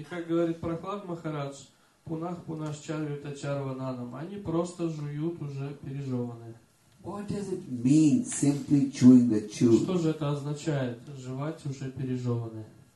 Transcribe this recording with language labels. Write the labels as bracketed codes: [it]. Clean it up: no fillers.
[ru] И как говорит Прохлад Махарадж, [sa] пунах пунаш чарвита чарвананам. [ru] Они просто жуют уже пережеванное. [en] What does it mean, simply chewing the tube? [ru] Что же это означает, жевать уже пережеванное?